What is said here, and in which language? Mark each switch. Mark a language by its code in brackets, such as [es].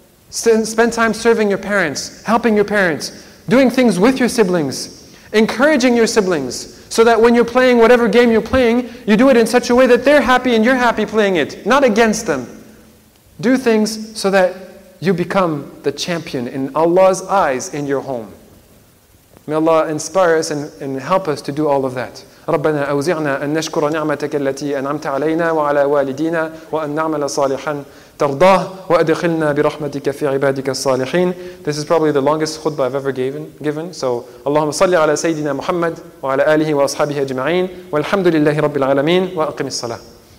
[en] Spend time serving your parents, helping your parents, doing things with your siblings, encouraging your siblings, so that when you're playing whatever game you're playing, you do it in such a way that they're happy and you're happy playing it, not against them. Do things so that you become the champion in Allah's eyes in your home. May Allah inspire us and help us to do all of that. [ar] ربنا أوزعنا أن نشكر نعمتك التي أنعمت علينا وعلى والدينا وأن نعمل صالحا ترضاه وأدخلنا برحمتك في عبادك الصالحين. [en] This is probably the longest khutbah I've ever given. [ar] So اللهم صل على سيدنا محمد وعلى آله وأصحابه أجمعين والحمد لله رب العالمين وأقم الصلاة.